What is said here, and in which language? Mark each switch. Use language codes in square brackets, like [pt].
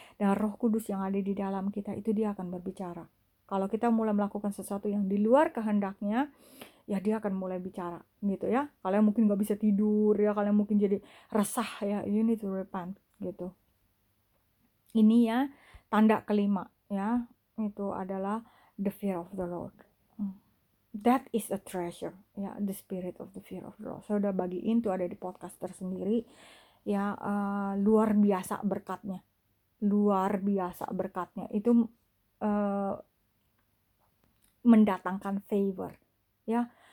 [id] Dan Roh Kudus yang ada di dalam kita itu dia akan berbicara. Kalau kita mulai melakukan sesuatu yang di luar kehendaknya, ya dia akan mulai bicara gitu ya. Kalian mungkin gak bisa tidur ya, kalian mungkin jadi resah ya, [en] you need to repent [id] gitu. Ini ya tanda kelima ya, itu adalah [en] the fear of the Lord. That is a treasure ya, the spirit of the fear of the Lord. [id] Saya udah bagiin tuh, ada di podcast tersendiri ya, luar biasa berkatnya, luar biasa berkatnya itu mendatangkan favor ya.